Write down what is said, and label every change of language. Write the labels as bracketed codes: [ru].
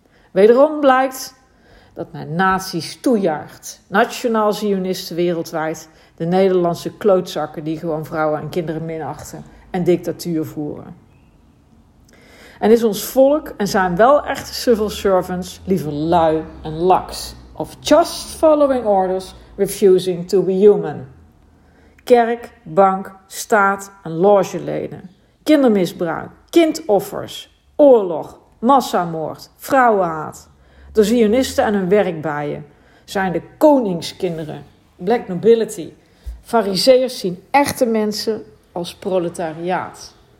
[nl] Wederom blijkt dat men nazi's toejaagt, nationaal-zionisten wereldwijd, de Nederlandse klootzakken die gewoon vrouwen en kinderen minachten en dictatuur voeren. En is ons volk en zijn wel echte [en] civil servants [nl] liever lui en laks? [en] Of just following orders, refusing to be human? [nl] Kerk, bank, staat en logeleden. Kindermisbruik, kindoffers, oorlog, massamoord, vrouwenhaat. De zionisten en hun werkbijen zijn de koningskinderen, [en] black nobility. [nl] Fariseërs zien echte mensen als proletariaat.